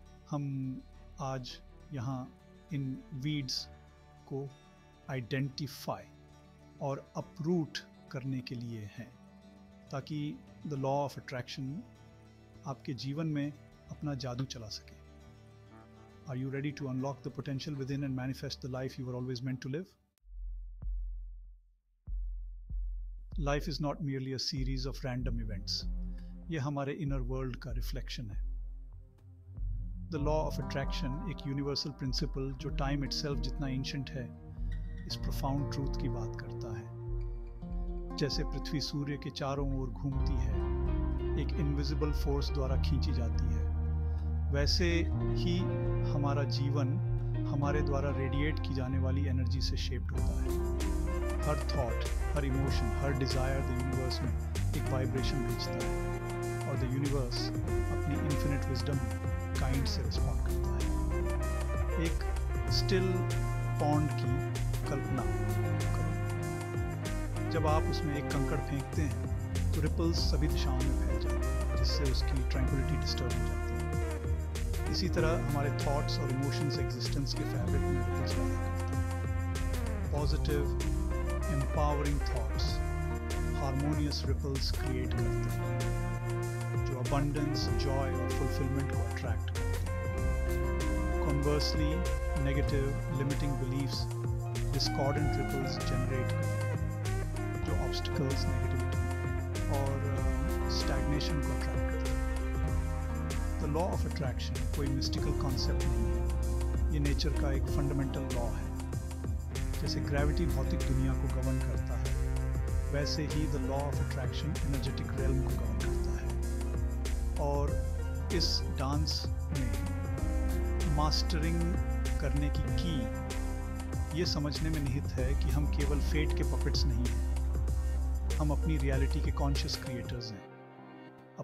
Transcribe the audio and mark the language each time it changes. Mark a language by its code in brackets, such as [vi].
[hi] हम आज यहाँ इन वीड्स को आइडेंटिफाई और अपरूट करने के लिए हैं, ताकि द लॉ ऑफ अट्रैक्शन आपके जीवन में अपना जादू चला सके। [en] Are you ready to unlock the potential within and manifest the life you were always meant to live? Life is not merely a series of random events. [hi] यह हमारे inner world का reflection है। The law of attraction, एक [en] universal principle [hi] जो time itself जितना ancient है, इस profound truth की बात करता है। जैसे पृथ्वी सूर्य के चारों ओर घूमती है, एक invisible force द्वारा खींची जाती है, वैसे ही हमारा जीवन हमारे द्वारा radiate की जाने वाली energy से shaped होता है। हर thought, हर emotion, हर Dzire the universe में एक वाइब्रेशन भेजता है और द यूनिवर्स अपनी इन्फिनिट विजडम काइंड से रिस्पॉन्ड करता है। एक स्टिल पॉन्ड की कल्पना करो। जब आप उसमें एक कंकड़ फेंकते हैं तो रिपल्स सभी दिशाओं में फैल जाते हैं, जिससे उसकी ट्रैंक्विलिटी डिस्टर्ब हो जाती है। इसी तरह हमारे थॉट्स और इमोशंस एग्जिस्टेंस के फैब्रिक में रिपल्स पैदा करते हैं। Positive [en] Empowering thoughts, harmonious ripples [hi] create करते हैं, जो abundance, joy और fulfillment को attract करते हैं। [en] Conversely, negative, limiting beliefs, discordant ripples [hi] generate करते हैं, जो obstacles, negativity और stagnation को attract करते हैं। The law of attraction कोई mystical concept नहीं है, ये nature का एक fundamental law है। जैसे ग्रेविटी भौतिक दुनिया को गवर्न करता है, वैसे ही the law of attraction energetic realm को गवर्न करता है। और इस डांस में मास्टरिंग करने की ये समझने में निहित है कि हम केवल फेट के पपेट्स नहीं हैं, हम अपनी रियलिटी के कॉन्शियस क्रिएटर्स हैं।